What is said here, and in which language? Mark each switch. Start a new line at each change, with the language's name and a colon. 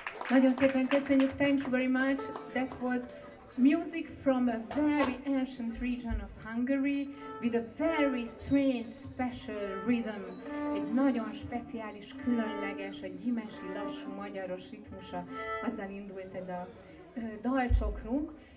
Hungarian: Nagyon szépen köszönjük,
English: thank you very much. That was music from a very ancient region of Hungary with a very strange special rhythm.
Hungarian: Egy nagyon speciális, különleges, a gyimesi, lassú, magyaros ritmusa, azzal indult ez a dalcsokrunk.